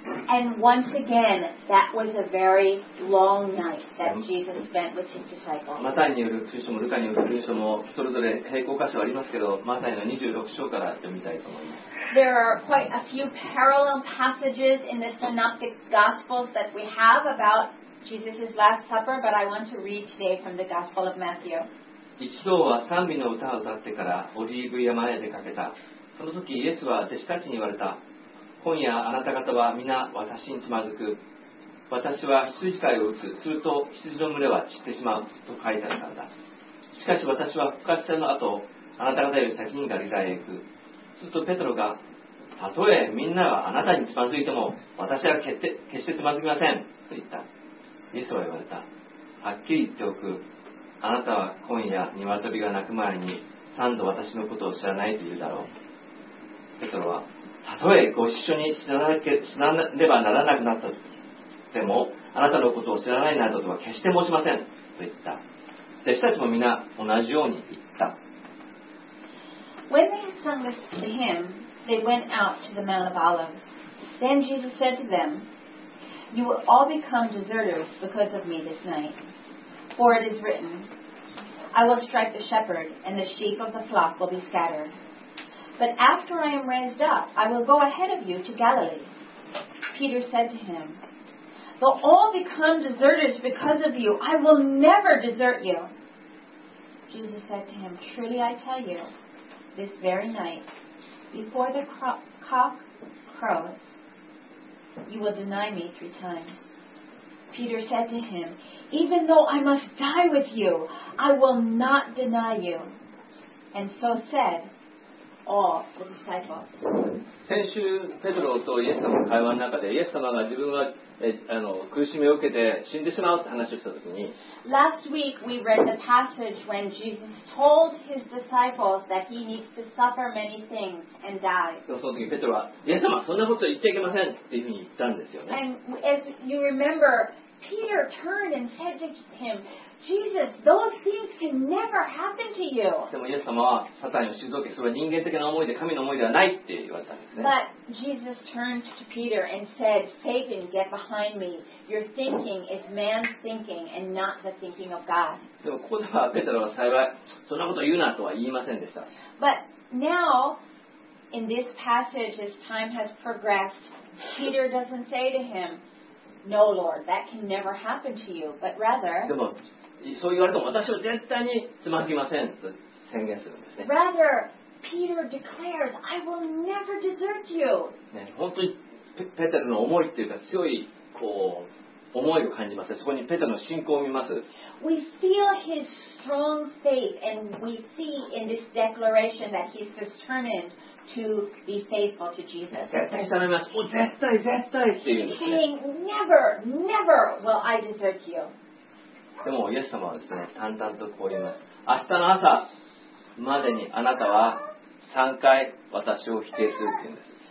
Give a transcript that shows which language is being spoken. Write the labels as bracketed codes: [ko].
[en] And once again, that was a very long night that Jesus spent with his disciples. [ja] マタイによる福音書もルカによる福音書もそれぞれ並行箇所ありますけど、マタイの26章から読みたいと思います。 [en] There are quite a few parallel passages in the synoptic gospels that we have about Jesus' last supper, but I want to read today from the Gospel of Matthew. [ja] 一同は賛美の歌を歌ってからオリーブ山へ出かけた。その時イエスは弟子たちに言われた。今夜あなた方は皆私につまずく。私は羊飼いを打つ。すると羊の群れは散ってしまうと書いてあったのだ。しかし私は復活したの後、あなた方より先にガリラへ行く。するとペトロが、たとえみんながあなたにつまずいても、私は決してつまずきません。と言った。イエスは言われた。はっきり言っておく。あなたは今夜鶏が鳴く前に、三度私のことを知らないと言うだろう。ペトロは、たとえご一緒に死なねばならなくなったでも、あなたのことを知らないなどとは決して申しません。と言った。弟子たちも皆同じように言った。 [en] When they had sung this to him, they went out to the Mount of Olives. Then Jesus said to them, You will all become deserters because of me this night. For it is written, I will strike the shepherd, and the sheep of the flock will be scattered. But after I am raised up, I will go ahead of you to Galilee. Peter said to him, They'll all become deserters because of you. I will never desert you. Jesus said to him, Truly I tell you, This very night, before the cock crows, you will deny me three times. Peter said to him, Even though I must die with you, I will not deny you. And so said all the disciples. [ja] 先週、ペトロとイエス様の会話の中で、イエス様が自分は苦しみを受けて死んでしまうって話をしたときに、 [en] Last week we read the passage when Jesus told his disciples that he needs to suffer many things and die. [ja] その時ペトロは、イエス様、そんなこと言っちゃいけませんっていうふうに言ったんですよね。 [en] And as you remember, Peter turned and said to him, Jesus, those things can never happen to you. [ja] でもイエス様は、サタンを退け、それは人間的な思いで、神の思いではないって言われたんですね。 [en] But Jesus turned to Peter and said, Satan, get behind me. Your thinking is man's thinking and not the thinking of God. [ja] でもここでは、ペテロは幸い、そんなこと言うなとは言いませんでした。 [en] But now, in this passage, as time has progressed, Peter doesn't say to him, No, Lord, that can never happen to you. But rather, [ja] でもそう言われても私は絶対につまずきませんと宣言するんですね。 [en] Rather, Peter declares, I will never desert you.、 [ja] ね、本当に ペテロの思いっていうか強いこう思いを感じます。そこにペテロの信仰を見ます。 [en] We feel his strong faith and we see in this declaration that he's determined to be faithful to Jesus. [ja] 絶対頼みます。もう絶対絶対っていうんですね。 [en] He's saying, never, never will I desert you. [ja] でもイエス様はですね、淡々とこう言います。明日の朝までにあなたは3回私を否定するって言うんです。